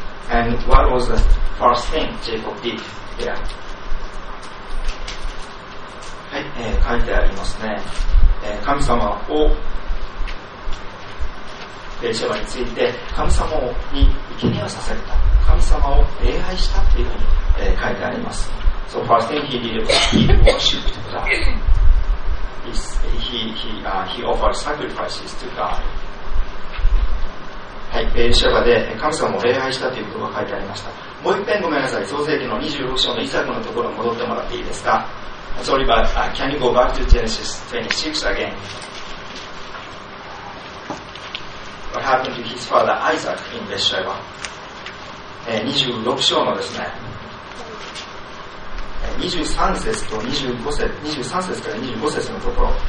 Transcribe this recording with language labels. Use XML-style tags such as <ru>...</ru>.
<en>And what was the first thing Jacob did there?</en> <ja>はい、書いてありますね。神様をベエルシェバについて神様に生贄を捧げた、神様を礼拝したというふうに、書いてあります。</ja> <en>So first thing he did was he worshipped God. He offered sacrifices to God.</en> <ja>はい、ベエルシェバで神様を礼拝したということが書いてありました。もう一遍ごめんなさい、創世記の26章のイサクのところに戻ってもらっていいですか。</ja> <en>Sorry, but can you go back to Genesis 26 again? What happened to his father Isaac in Beersheba?</en> <ja>26章のですね、23節から25節のところ、</ja>